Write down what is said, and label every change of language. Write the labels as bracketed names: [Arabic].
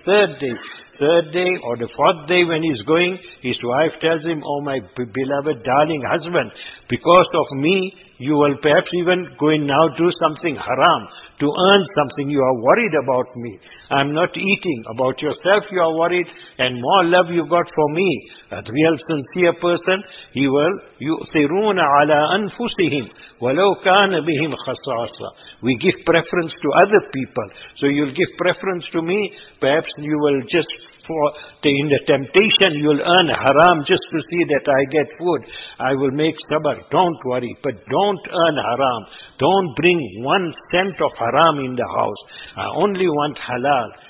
[English] Third day or the fourth day when he's going, his wife tells him, oh my beloved darling husband, because of me, you will perhaps even go and now do something haram to earn something. You are worried about me. I'm not eating. About yourself you are worried, and more love you got for me. A real sincere person, he will, [Arabic] يُؤْثِرُونَ عَلَىٰ أَنفُسِهِمْ وَلَوْ كَانَ بِهِمْ خَصَاصًا. [English] We give preference to other people. So you'll give preference to me, perhaps you will just in the temptation you will earn haram just to see that I get food. I will make sabr. Don't worry. But don't earn haram. Don't bring 1 cent of haram in the house. I only want halal.